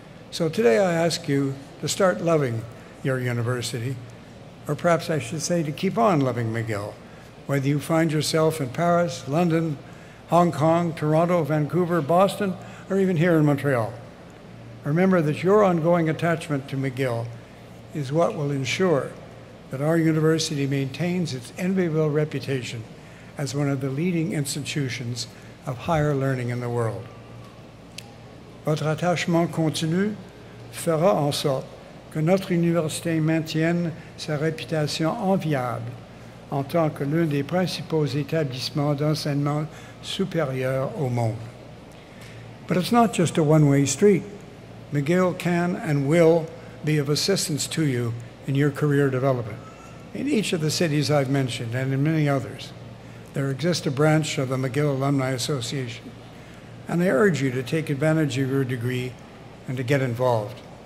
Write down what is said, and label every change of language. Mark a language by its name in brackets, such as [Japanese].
[English] So today I ask you to start loving your university, or perhaps I should say to keep on loving McGill, whether you find yourself in Paris, London, Hong Kong, Toronto, Vancouver, Boston, or even here in Montreal. Remember that your ongoing attachment to McGill is what will ensure that our university maintains its enviable reputation as one of the leading institutions of higher learning in the world. [French] Votre attachement continu fera en sorte que notre université maintienne sa réputation enviable en tant que l'un des principaux établissements d'enseignement supérieur au monde. [English] But it's not just a one-way street. McGill can and will be of assistance to you in your career development. In each of the cities I've mentioned, and in many others, there exists a branch of the McGill Alumni Association, and I urge you to take advantage of your degree and to get involved.